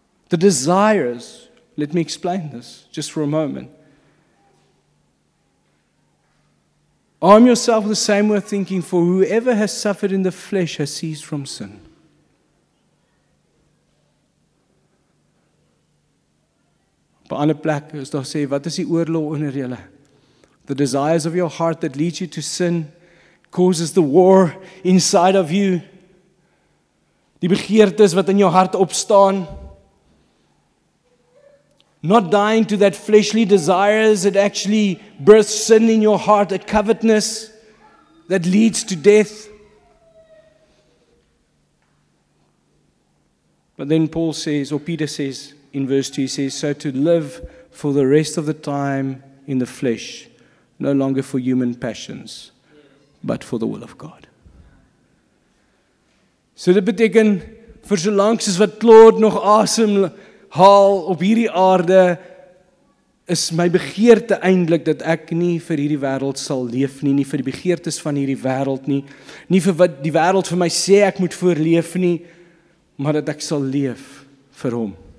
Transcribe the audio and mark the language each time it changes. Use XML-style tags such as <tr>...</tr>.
<en>The desires. Let me explain this just for a moment. Arm yourself with the same way of thinking, for whoever has suffered in the flesh has ceased from sin.</en> <af>Op 'n ander plek is daar sê, wat is die oorlog onder julle?</af> <en>The desires of your heart that lead you to sin causes the war inside of you.</en> <af>Die begeertes wat in jou hart opstaan.</af> <en>Not dying to that fleshly desires, it actually births sin in your heart, a covetousness that leads to death. But then Paul says, or Peter says in verse 2, he says, so to live for the rest of the time in the flesh, no longer for human passions, but for the will of God.</en> <af>So dit beteken, vir so lank soos wat Claude nog asem haal op hierdie aarde, is my begeerte eindelijk dat ek nie vir hierdie wereld sal leef nie, nie vir die begeertes van hierdie wereld nie, nie vir wat die wereld vir my sê ek moet voorleef nie, maar dat ek sal leef vir hom.</af>